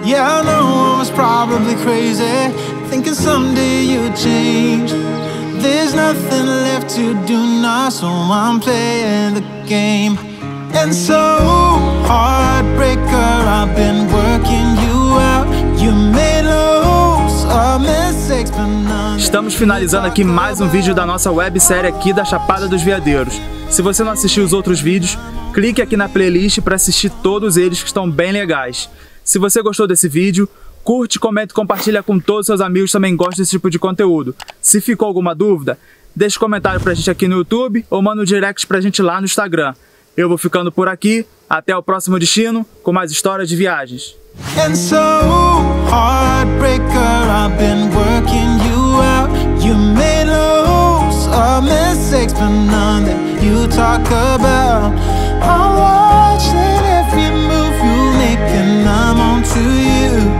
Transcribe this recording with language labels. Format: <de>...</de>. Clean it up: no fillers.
<en>Yeah, I know I was probably crazy, thinking someday you'd change. There's nothing left to do now, so I'm playing the game. And so, heartbreaker, I've been working you out. You made loads of mistakes, but none.</en> <pt>Estamos finalizando aqui mais um vídeo da nossa websérie aqui da Chapada dos Veadeiros. Se você não assistiu os outros vídeos, clique aqui na playlist para assistir todos eles que estão bem legais. Se você gostou desse vídeo, curte, comenta e compartilha com todos os seus amigos que também gostam desse tipo de conteúdo. Se ficou alguma dúvida, deixe um comentário pra gente aqui no YouTube ou manda um direct pra gente lá no Instagram. Eu vou ficando por aqui, até o próximo destino com mais histórias de viagens.</pt> <en>And so, heartbreaker, I've been working you out. You made loads of mistakes, but none that you talk about. I'm watching every move you make and I'm on to you.</en>